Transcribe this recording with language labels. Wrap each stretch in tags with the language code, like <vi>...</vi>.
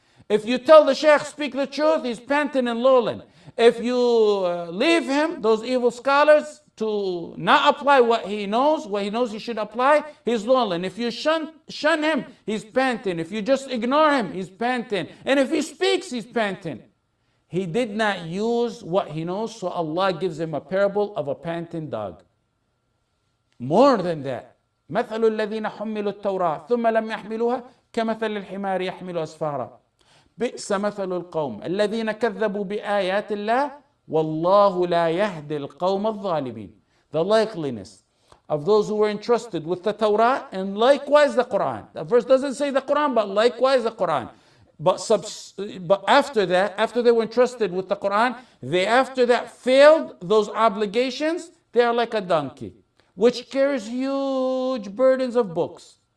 <en>If you tell the sheikh, speak the truth, he's panting and lolling. If you leave him, those evil scholars, to not apply what he knows he should apply, he's lolling. If you shun him, he's panting. If you just ignore him, he's panting. And if he speaks, he's panting. He did not use what he knows, so Allah gives him a parable of a panting dog. More than that,</en> <ar>مَثَلُ الَّذِينَ حُمِّلُوا التَّوْرَاةَ ثُمَّ لَمْ يَحْمِلُوهَا كَمَثَلِ الْحِمَارِ يَحْمِلُ أَسْفَارًا بِئْسَ مَثَلُ الْقَوْمِ الَّذِينَ كَذَّبُوا بِآيَاتِ اللَّهِ وَاللَّهُ لَا يَهْدِي الْقَوْمَ الظَّالِمِينَ.</ar> <en>The likeliness of those who were entrusted with the Torah and likewise the Quran. The verse doesn't say the Quran, but likewise the Quran. But after they were entrusted with the Quran, they after that failed those obligations, they are like a donkey, which carries huge burdens of books.</en>